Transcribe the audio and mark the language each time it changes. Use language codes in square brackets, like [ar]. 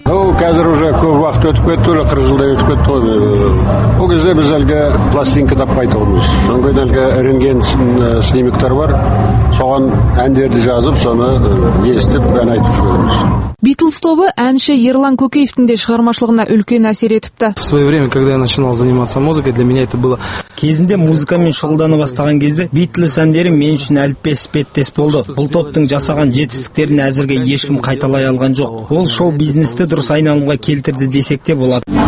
[kk] Қазір уже көп вақыт өтіп кетті, 40 жылдай өтіп кетті. Ол кезде біз әлгі пластинка таппайды тұрмыз. Сонымен әлгі рентген снимктер бар. Соған әндерді жазып, соны естіп, ән айтып жүреміз. Битлз тобы әнші Ерлан Көкеевтің де шығармашылығына үлкен әсер етіпті. [ru] В свое время, когда я начинал заниматься музыкой, для меня это было... [kk] Кезінде музыкамен шұғылдана бастаған кезде Битлз әндері мен үшін әліппес іспеттес болды. Бұл топтың жасаған жетістіктерін әзірге ешкім қайталай алған жоқ. Ол шоу-бизнесті дұрыс айналымға келтірді десек те болады.